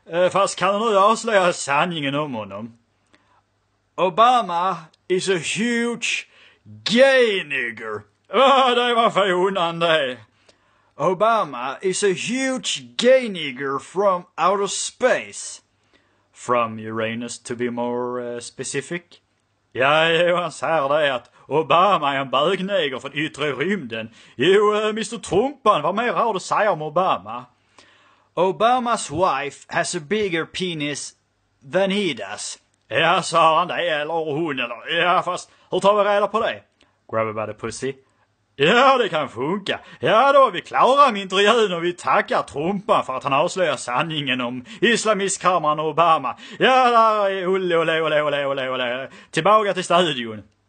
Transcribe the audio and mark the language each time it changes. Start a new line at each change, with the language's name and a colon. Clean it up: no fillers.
Swedish: Fast kan du nu avslöja sanningen om honom?
English: Obama is a huge gay nigger.
Swedish: Ah, det var för onan det.
English: Obama is a huge gay nigger from outer space. From Uranus to be more specific.
Swedish: Ja, han säger det att Obama är en bögnigger från yttre rymden. Jo, Mr. Trumpan, vad mer har du att säga om Obama?
English: Obama's wife has a bigger penis than he does.
Swedish: Ja, sa han det, eller hon, eller... Ja, fast hur tar vi reda på det?
English: Grab about a pussy.
Swedish: Ja, det kan funka. Ja, då är vi klara med intervjun och vi tackar Trumpan för att han avslöjar sanningen om islamistkammaren Obama. Ja, där är Olle, Olle, Olle, Olle, Olle, Olle. Tillbaka till studion.